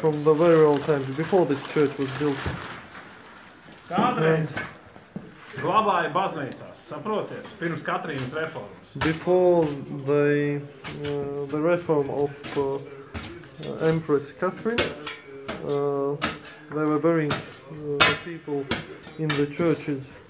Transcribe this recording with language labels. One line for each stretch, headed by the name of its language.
English: From the very old times, before this church was built.
Latvian: Kādreiz glabāja baznīcās, saproties, pirms Katrīnas reformas.
English: Before the reform of Empress Catherine, they were burying the people in the churches.